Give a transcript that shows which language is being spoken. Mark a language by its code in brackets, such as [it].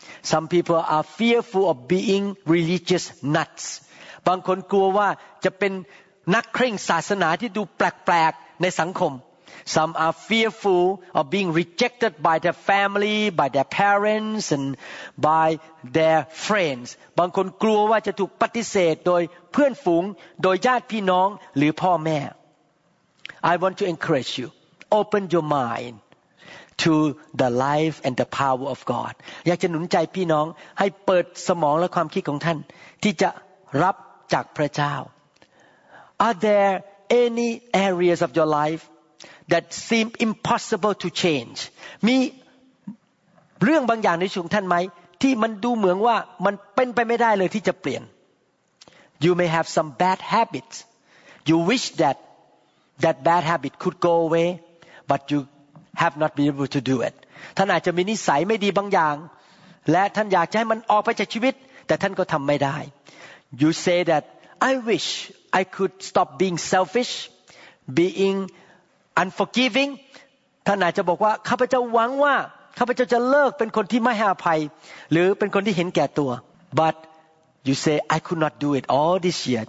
[en] Some people are fearful of being religious nuts [th] บางคนกลัวว่าจะเป็นนักเคร่งศาสนาที่ดูแปลกๆในสังคม [en] Some are fearful of being rejected by their family, by their parents, and by their friends. [th] บางคนกลัวว่าจะถูกปฏิเสธโดยเพื่อนฝูงโดยญาติพี่น้องหรือพ่อแม่ [en] I want to encourage you. Open your mind to the life and the power of God. [th] อยากจะหนุนใจพี่น้องให้เปิดสมองและความคิดของท่านที่จะรับจากพระเจ้า [en] Are there any areas of your life that seem impossible to change? [th] มีเรื่องบางอย่างในชีวิตท่านไหมที่มันดูเหมือนว่ามันเป็นไปไม่ได้เลยที่จะเปลี่ยน [en] You may have some bad habits. You wish that bad habit could go away, but you have not been able to do it. [th] ท่านอาจจะมีนิสัยไม่ดีบางอย่างและท่านอยากจะให้มันออกไปจากชีวิตแต่ท่านก็ทำไม่ได้ [en] You say that I wish I could stop being selfish, being unforgiving. [th] ท่านอาจจะบอกว่าข้าพเจ้าหวังว่าข้าพเจ้าจะเลิกเป็นคนที่ไม่ให้อภัยหรือเป็นคนที่เห็นแก่ตัว [en] But you say I could not do it all this year.